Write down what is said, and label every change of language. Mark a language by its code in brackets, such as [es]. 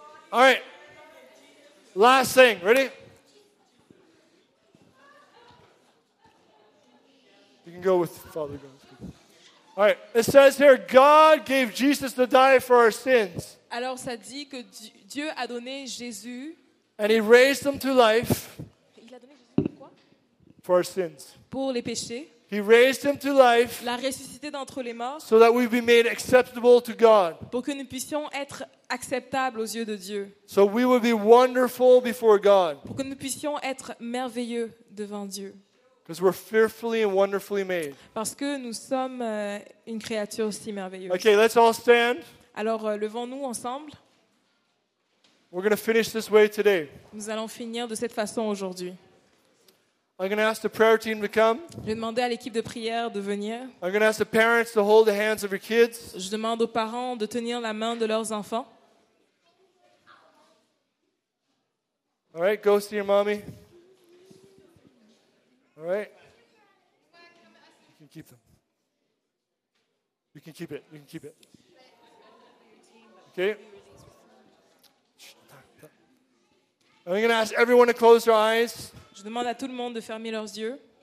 [en] All right. Last thing. Ready? You can go with Father God. All right. It says here, God gave Jesus to die for our sins. [fr] Alors, ça dit que Dieu a donné Jésus. [en] And he raised him to life. For our sins. [fr] Pour les péchés. [en] He raised him to life. [fr] L'a ressuscité d'entre les morts. [en] So that we'd be made acceptable to God. [fr] Pour que nous puissions être acceptables aux yeux de Dieu. [en] So we would be wonderful before God. [fr] Pour que nous puissions être merveilleux devant Dieu. [en] Because we're fearfully and wonderfully made. [fr] Parce que nous sommes une créature si merveilleuse. [en] Okay, let's all stand. [fr] Alors levons-nous ensemble. [en] We're going to finish this way today. [fr] Nous allons finir de cette façon aujourd'hui. [en] I'm going to ask the prayer team to come. [fr] Je vais demander à l'équipe de prière de venir. [en] I'm going to ask the parents to hold the hands of your kids. [fr] Je demande aux parents de tenir la main de leurs enfants. [en] All right, go see your mommy. All right. You can keep them. You can keep it. You can keep it. Okay. I'm going to ask everyone to close their eyes. [fr] Je demande à tout le monde de fermer leurs yeux.